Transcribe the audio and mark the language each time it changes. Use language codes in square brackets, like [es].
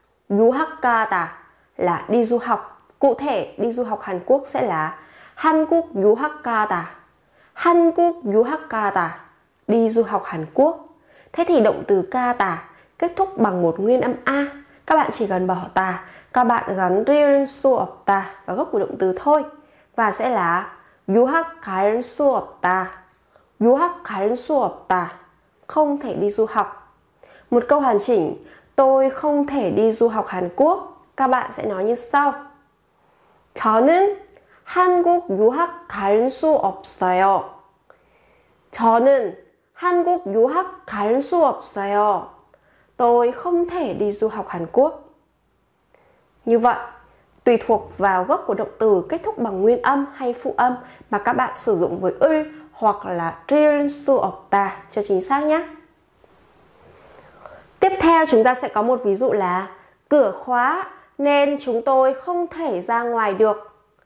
[vi] 유학하다 là đi du học. Cụ thể đi du học Hàn Quốc sẽ là [ko] 한국 유학하다. 한국 유학하다. [vi] Đi du học Hàn Quốc. Thế thì động từ 가다 kết thúc bằng một nguyên âm A. Các bạn chỉ cần bỏ 다, các bạn gắn [ko] 를 수 없다 [vi] vào gốc của động từ thôi. Và sẽ là [ko] 유학 갈 수 없다. 유학 갈 수 없다. [vi] Không thể đi du học. Một câu hoàn chỉnh, tôi không thể đi du học Hàn Quốc. Các bạn sẽ nói như sau. [ko] 저는 한국 유학 갈 수 없어요. 저는 한국 유학 갈 수 없어요. [vi] Tôi không thể đi du học Hàn Quốc. Như vậy, tùy thuộc vào gốc của động từ kết thúc bằng nguyên âm hay phụ âm mà các bạn sử dụng với 을 hoặc là [ko] 를 수 없다 [vi] cho chính xác nhé. Tiếp theo chúng ta sẽ có một ví dụ là cửa khóa nên chúng tôi không thể ra ngoài được.